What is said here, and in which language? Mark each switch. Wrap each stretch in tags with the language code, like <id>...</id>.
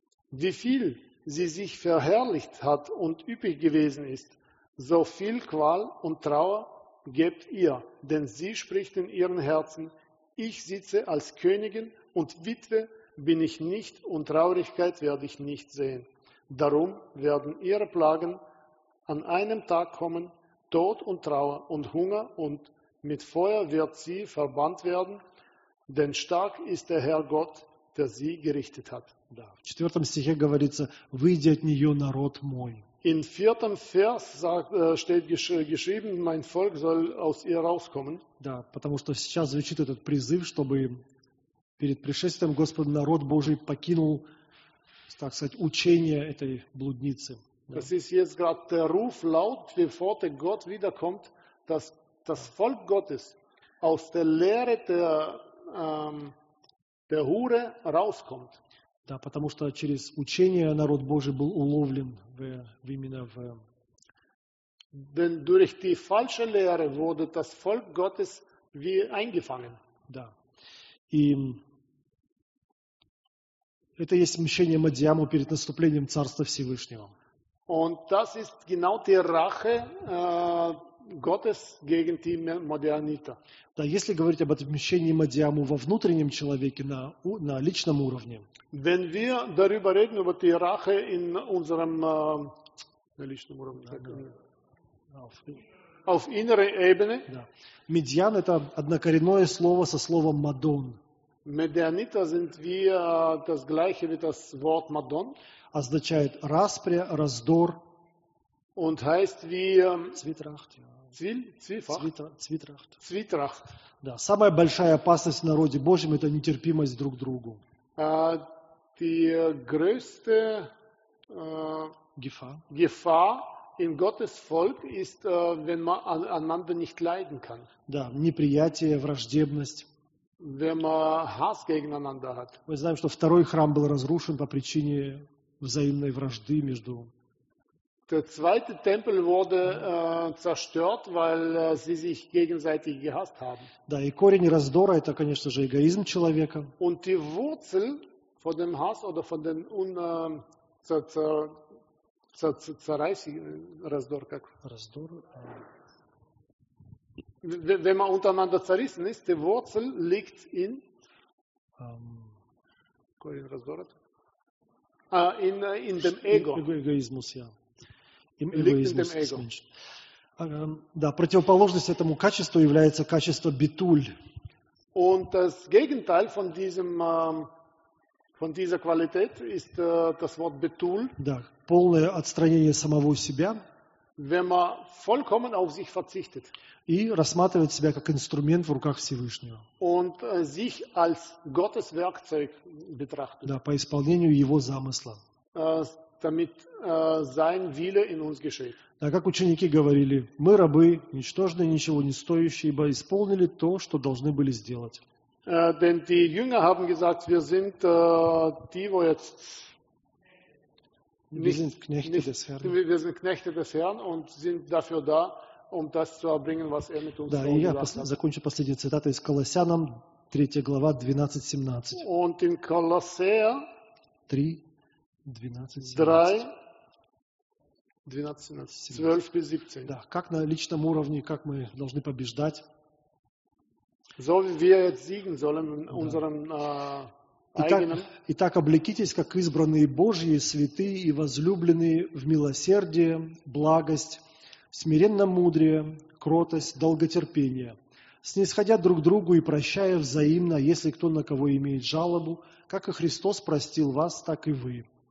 <de>Wie viel sie sich verherrlicht hat und üppig gewesen ist, so viel Qual und Trauer gebt ihr, denn sie spricht in ihren Herzen, ich sitze als Königin und Witwe bin ich nicht und Traurigkeit werde ich nicht sehen. Darum werden ihre Plagen an einem Tag kommen, Tod und Trauer und Hunger und mit Feuer wird sie verbannt werden, denn stark ist der Herr Gott, der sie gerichtet hat.</de> <ru>Да. В четвертом стихе говорится, «Выйди от нее, народ мой».</ru> <de>In vierten Vers steht geschrieben, mein Volk soll aus ihr rauskommen.</de> <ru>Да, потому что сейчас звучит этот призыв, чтобы перед пришествием Господа народ Божий покинул, так сказать, учение этой блудницы.</ru> <de>Das ist jetzt gerade der Ruf laut, bevor der Gott wiederkommt, dass das Volk Gottes aus der Lehre der Hure rauskommt.</de> <ru>Да, потому что через учение народ Божий был уловлен в именно в...</ru> <de>Denn durch die falsche Lehre wurde das Volk Gottes wie eingefangen.</de> <ru>Да. И это есть мщение Мадьяму перед наступлением Царства Всевышнего.</ru> <de>Und das ist genau die Rache Gottes gegen die Madianiter.</de> <ru>Да, если говорить об отмщении Мадьяму во внутреннем человеке на личном уровне.</ru> <de>Wenn wir darüber reden über die Rache in unserem</de> <ru>на личном уровне.</ru> <de>Auf innerer Ebene.</de> <ru>Да. Медиан это однокоренное слово со словом Мадон.</ru> <de>Медианита sind wie das gleiche wie das Wort Мадон.</de> <ru>Означает распря, раздор.</ru> <de>Und heißt wie Zwietracht. Zwietracht.</de> <ru>Да, самая большая опасность в народе Божьем – это нетерпимость друг к другу.</ru> <de>Die größte Gefahr in Gottes Volk ist, wenn man einander nicht leiden kann.</de> <ru>Да, неприятие, враждебность.</ru> <de>Wenn man Hass gegeneinander hat.</de> <ru>Мы знаем, что второй храм был разрушен по причине взаимной вражды между.</ru> <de>Der zweite Tempel wurde zerstört, weil sie sich gegenseitig gehasst haben.</de> <ru>Да, и корень раздора это, конечно же, эгоизм человека.</ru> <de>Und die Wurzel von dem Hass oder von dem</de> <ru>Раздор, как? Раздор.</ru> <de>Wenn man untereinander zerrissen ist, die Wurzel liegt in dem Ego. Эгоизмус, ja. Эгоизмус liegt in dem Ego.</de> <ru>Да, противоположность этому качеству является качество битуль.</ru> <de>Und das Gegenteil von diesem von dieser Qualität ist das Wort Betul.</de> <ru>Да, полное отстранение самого себя.</ru> <de>Wenn man vollkommen auf sich verzichtet.</de> <ru>И рассматривает себя как инструмент в руках Всевышнего.</ru> <de>Und sich als Gottes Werkzeug betrachtet.</de> <ru>Да, по исполнению его замысла.</ru> <de>Damit sein Wille in uns geschieht.</de> <ru>Да, как ученики говорили, мы рабы, ничтожные, ничего не стоящие, ибо исполнили то, что должны были сделать.</ru> <de>Denn die Jünger haben gesagt, wir sind die, wo jetzt nicht, wir sind Knechte nicht, des Herrn. Wir sind Knechte des Herrn und sind dafür da, um das zu erbringen, was er mit uns da, vorgelassen hat.</de> <ru>Да, я закончу последней цитатой из Колоссянам, 3 глава, 12-17.</ru> <de>Und in Колоссея 3, 12-17.</de> <ru>Да, как на личном уровне, как мы должны побеждать?</ru> <de>So wie wir jetzt siegen sollen in unserem eigenen.</de> <ru>Итак, облекитесь как избранные Божьи, святые и возлюбленные в милосердие, благость, смиренно-мудрие, кротость, долготерпение, снисходя друг другу и прощая взаимно, если кто на кого имеет жалобу, как и Христос простил вас, так и вы.</ru>